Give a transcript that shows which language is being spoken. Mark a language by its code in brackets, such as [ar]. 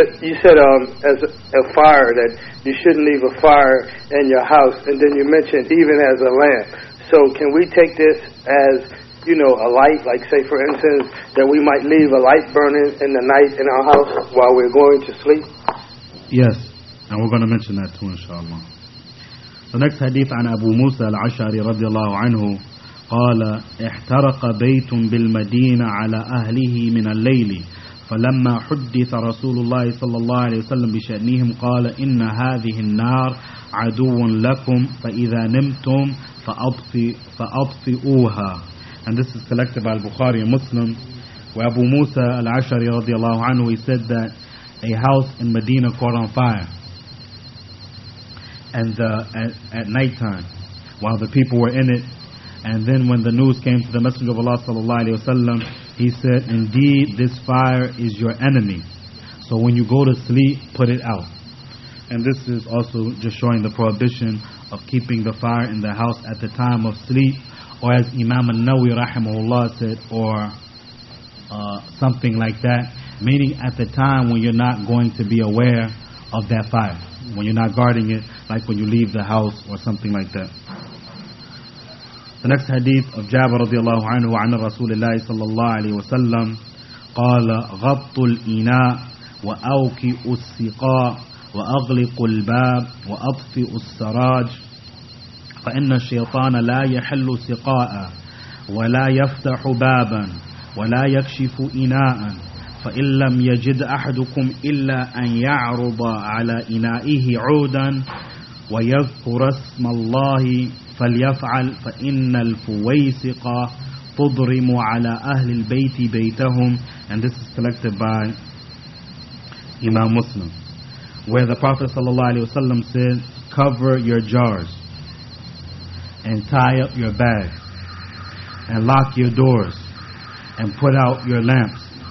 [en] You said as a fire, that you shouldn't leave a fire in your house, and then you mentioned even as a lamp. So can we take this as, you know, a light, like say for instance that we might leave a light burning in the night in our house while we're going to sleep? Yes, and we're going to mention that too, inshallah. The next hadith [ar] عن أبو موسى العشاري رضي الله عنه قال احترق بيت بالمدينة على أهله من الليل فلما حدث رسول الله صلى الله عليه وسلم بشأنهم قال إن هذه النار عدو لكم فإذا نمتم فأطفئوها. [en] And this is collected by Al-Bukhari and Muslim, where Abu Musa al-Ashari [ar] رضي الله عنه, [en] he said that a house in Medina caught on fire and at night time while the people were in it, and then when the news came to the Messenger of Allah sallallahu alayhi wa sallam, he said, indeed this fire is your enemy, so when you go to sleep, put it out. And this is also just showing the prohibition of keeping the fire in the house at the time of sleep, or as Imam al-Nawawi rahimahullah said, or something like that, meaning at the time when you're not going to be aware of that fire, when you're not guarding it, like when you leave the house or something like that. The next hadith of Jabir radiallahu anhu [ar] عن رسول الله صلى الله عليه وسلم قال غط الإناء وأوكئ السقاء وأغلق الباب وأطفئ السراج. فإن الشيطان لا يحل سقاء ولا يفتح بابا ولا يكشف إناء فإن لم يجد أحدكم إلا أن يعرض على إنائه عودا ويذكر اسم الله فليفعل فإن الفويسق تضرم على أهل البيت بيتهم. [en] And this is selected by Imam Muslim, where the Prophet sallallahu alaihi wasallam said, cover your jars and tie up your bags and lock your doors and put out your lamps,